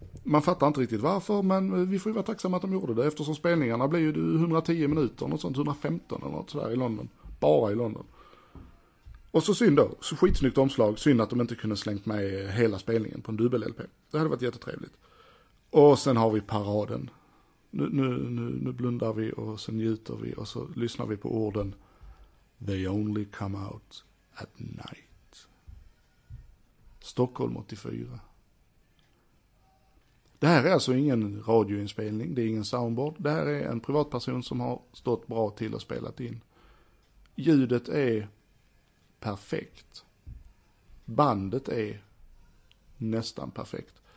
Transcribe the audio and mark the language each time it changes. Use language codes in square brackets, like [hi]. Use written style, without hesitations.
[sv] Man fattar inte riktigt varför, men vi får ju vara tacksamma att de gjorde det eftersom spelningarna blir ju 110 minuter, något sånt, 115 eller något sådär i London. Bara i London. Och så synd då, så skitsnyggt omslag, synd att de inte kunde slängt med hela spelningen på en dubbel-LP. Det hade varit jättetrevligt. Och sen har vi paraden. Nu blundar vi och sen njuter vi och så lyssnar vi på orden. [en] They only come out at night. [sv] Stockholm 84. Det här är alltså ingen radioinspelning, det är ingen soundboard. Det här är en privatperson som har stått bra till och spelat in. Ljudet är perfekt. Bandet är nästan perfekt.